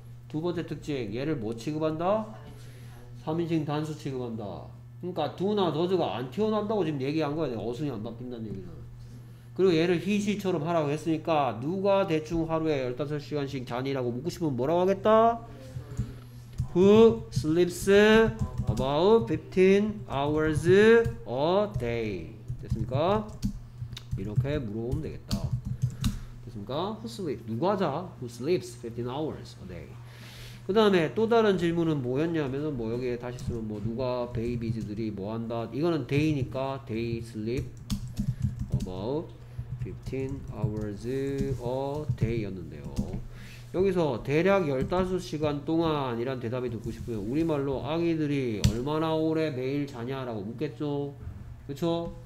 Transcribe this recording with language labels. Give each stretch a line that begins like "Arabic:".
Korean: 두 번째 특징 얘를 뭐 취급한다? 3인칭 단수 취급한다. 그러니까 do나 does가 안 튀어나온다고 지금 얘기한 거야. 어순이 안 바뀐다는 얘기는. 그리고 얘를 희시처럼 하라고 했으니까 누가 대충 하루에 15시간씩 잔이라고 묻고 싶으면 뭐라고 하겠다?
English: Who sleeps about 15 hours a day?
Korean: 됐습니까? 이렇게 물어보면 되겠다. 됐습니까?
English: Who sleeps?
Korean: 누가 자?
English: Who sleeps 15 hours a day?
Korean: 그 다음에 또 다른 질문은 뭐였냐면 뭐 여기에 다시 쓰면 뭐 누가 베이비즈들이 뭐 한다?
English: 이거는 day니까 day sleep about 15 hours a day 였는데요.
Korean: 여기서 대략 15시간 동안 이란 대답이 듣고 싶으면 우리말로 아기들이 얼마나 오래 매일 자냐 라고 묻겠죠. 그쵸?